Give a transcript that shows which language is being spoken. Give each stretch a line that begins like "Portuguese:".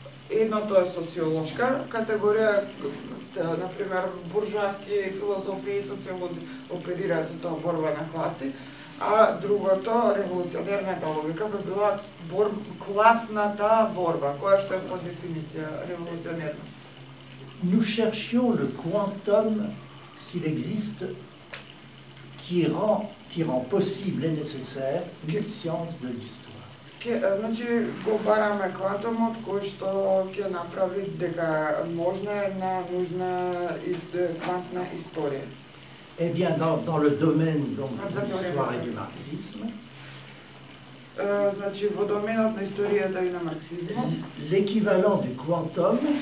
Macedonian: Едното е социолошка категорија, например, буржуаски философии и социолози оперираат со тоа борба на класи. А другото, револуционерната логика, би била класната борба, која што е по дефиниција револуционерна.
French: Nous cherchions le quantum, s'il existe, qui rend possible et nécessaire une science de l'histoire.
Macedonian: Значи, го бараме квантумот кој што ќе направи дека можна е на нужна квантна историја.
French: Eh bien, dans le domaine donc, de l'histoire et du marxisme, l'équivalent du quantum